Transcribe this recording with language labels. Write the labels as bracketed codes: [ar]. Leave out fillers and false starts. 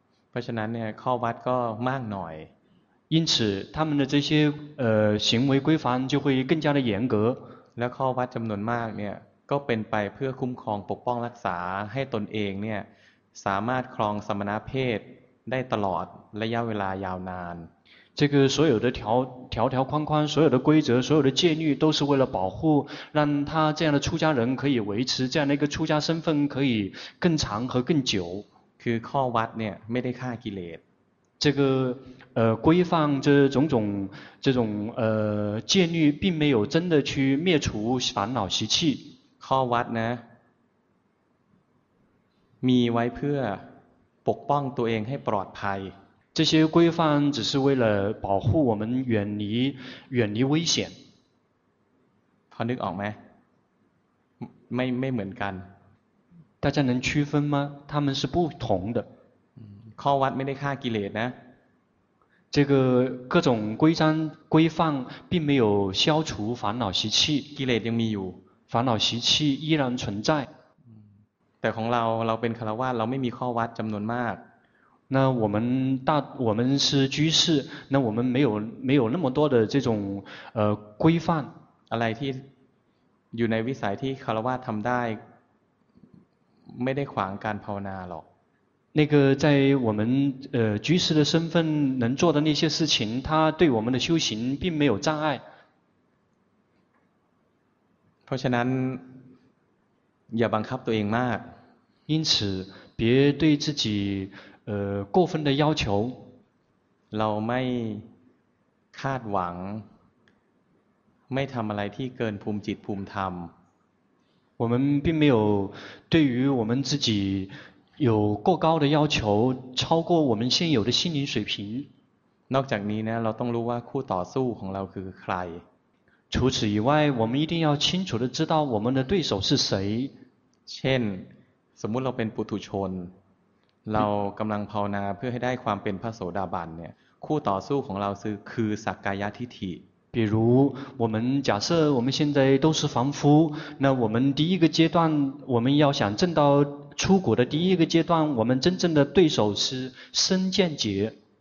[th] เพราะฉะนั้นเนี่ยข้อวัดก็มากหน่อย [zh] 因此他们的这些行为规范就会更加的严格 [th] และข้อวัดจำนวนมากเนี่ยก็เป็นไปเพื่อคุ้มครองปกป้องรักษาให้ตนเองเนี่ยสามารถครองสมณเพศได้ตลอดระยะเวลายาวนาน [zh] 这个所有的条框框所有的规则所有的戒律都是为了保护让他这样的出家人可以维持这样的一个出家身份可以更长和更久 [th] คือข้อวัดเนี่ยไม่ได้ฆ่ากิเลส [zh] 这个规范这种种这种戒律并没有真的去灭除烦恼习气 [th] ข้อวัดนะมีไว้เพื่อปกป้องตัวเองให้ปลอดภัย [zh] 这些规范只是为了保护我们远离危险 [th] พอนึกออกไหมไม่เหมือนกัน [zh] 大家能区分吗他们是不同的 [th] ข้อวัดไม่ได้ฆ่ากิเลสนะ [zh] 这个各种规章规范并没有消除烦恼习气 [th] กิเลสยังมีอยู่ [zh] 烦恼习气依然存在 [th] แต่ของเราเป็นฆราวาสเราไม่มีข้อวัดจำนวนมาก [zh] 那我们是居士那我们没有那么多的这种规范 [th] อะไรที่อยู่ในวิสัยที่ฆราวาสทำได้ไม่ได้ขวางการภาวนาหรอก นั่นก็ [zh] 在我们居士的身份能做的那些事情它对我们的修行并没有障碍 [th] เพราะฉะนั้นอย่าบังคับตัวเองมาก [zh] 因此别对自己过分的要求 [th] เราไม่คาดหวังไม่ทำอะไรที่เกินภูมิจิตภูมิธรรม [zh] 我们并没有对于我们自己有过高的要求超过我们现有的心灵水平 [th] นอกจากนี้นะเราต้องรู้ว่าคู่ต่อสู้ของเราคือใคร [zh] 除此以外我们一定要清楚地知道我们的对手是谁 [th] เช่นสมมุติเราเป็นปุถุชนเรากำลังภาวนาเพื่อให้ได้ความเป็นพระโสดาบันเนี่ยคู่ต่อสู้ของเราคือสักกายทิฏฐิ [zh] 比如我们假设我们现在都是凡夫那我们第一个阶段我们要想证到出果的第一个阶段我们真正的对手是身见解